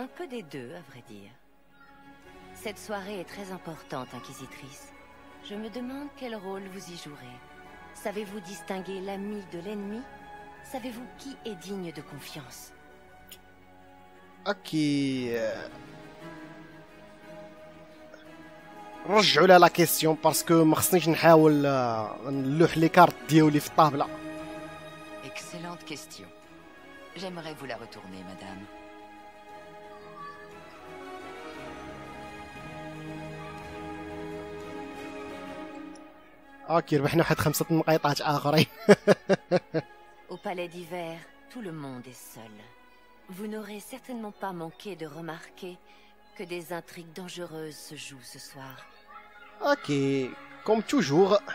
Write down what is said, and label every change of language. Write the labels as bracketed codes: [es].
[fr] Un peu des deux, à vrai dire. Cette soirée est très importante, Inquisitrice. Je me demande quel rôle vous y jouerez. Savez-vous distinguer l'ami de l'ennemi ? Savez-vous qui est digne de confiance ? Ok. [ar] رجعوا لها la question parce que ما خصنيش نحاول نلوح les cartes ديالي في الطابله. [fr] Excellente question. J'aimerais vous la retourner, madame. [ar] اوكي ربحنا واحد خمسة نقاطات اخرين [fr] Au palais d'hiver, tout le monde est seul. Vous n'aurez certainement pas manqué de remarquer que des intrigues dangereuses se jouent ce soir. OK, comme toujours.